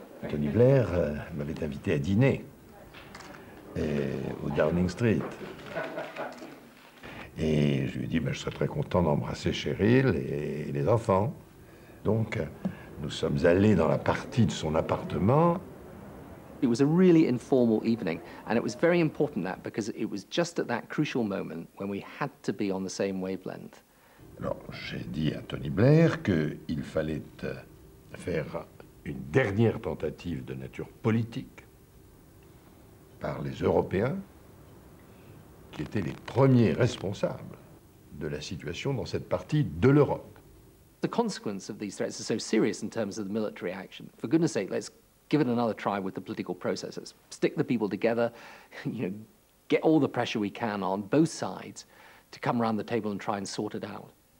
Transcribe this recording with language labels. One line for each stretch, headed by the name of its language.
French: Tony Blair m'avait invité à dîner au Downing Street. Et je lui ai dit, ben, je serais très content d'embrasser Cheryl et les enfants. Donc, nous sommes allés dans la partie de son appartement.
English: It was a really informal evening, and it was very important that, because it was just at that crucial moment when we had to be on the same wavelength.
French: Alors, j'ai dit à Tony Blair qu'il fallait faire une dernière tentative de nature politique par les Européens, qui étaient les premiers responsables de la situation dans cette partie de l'Europe.
English: The consequence of these threats is so serious in terms of the military action. For goodness sake, let's give it another try with the political processes. Stick the people together, you know, get all the pressure we can on both sides to come around the table and try and sort it out.